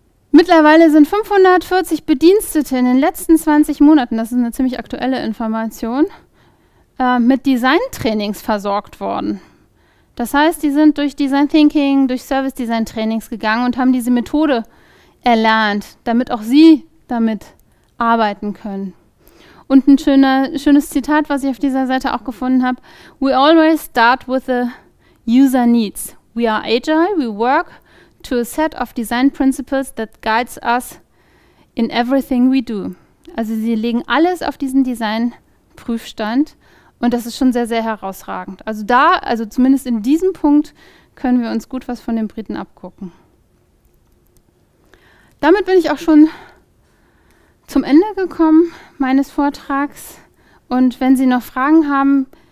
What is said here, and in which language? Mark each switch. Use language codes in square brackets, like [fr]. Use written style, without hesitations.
[de] Mittlerweile sind 540 Bedienstete in den letzten 20 Monaten, das ist eine ziemlich aktuelle Information, mit Design-Trainings versorgt worden. Das heißt, die sind durch Design Thinking, durch Service Design Trainings gegangen und haben diese Methode erlernt, damit auch sie damit arbeiten können. Und ein schönes Zitat, was ich auf dieser Seite auch gefunden habe. [en] We always start with the user needs. We are agile, we work to a set of design principles that guides us in everything we do. [de] Also sie legen alles auf diesen Designprüfstand. Und das ist schon sehr, sehr herausragend. Also da, also zumindest in diesem Punkt, können wir uns gut was von den Briten abgucken. Damit bin ich auch schon zum Ende gekommen meines Vortrags. Und wenn Sie noch Fragen haben,